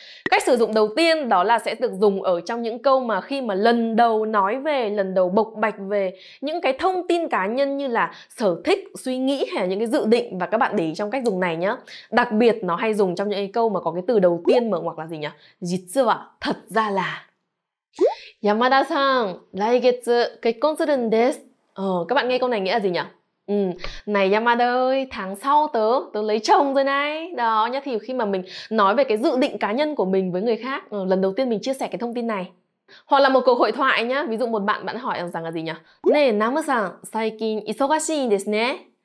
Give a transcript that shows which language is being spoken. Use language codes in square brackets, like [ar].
[vi] Cách sử dụng đầu tiên đó là sẽ được dùng ở trong những câu mà khi mà lần đầu nói về, lần đầu bộc bạch về những cái thông tin cá nhân như là sở thích, suy nghĩ hay là những cái dự định. Và các bạn để ý trong cách dùng này nhá. Đặc biệt nó hay dùng trong những cái câu mà có cái từ đầu tiên mở ngoặc là gì nhỉ? [ja] 実は, [vi] thật ra là. [ja] Yamada-san, 来月結婚するんです. [vi] Các bạn nghe câu này nghĩa là gì nhỉ? Này Yamada ơi, tháng sau tớ lấy chồng rồi này. Đó nhá, thì khi mà mình nói về cái dự định cá nhân của mình với người khác, lần đầu tiên mình chia sẻ cái thông tin này. Hoặc là một cuộc hội thoại nhá, ví dụ một bạn hỏi rằng là gì nhỉ? Nè, Namu-san, [ja] saikin isogashii desu ne.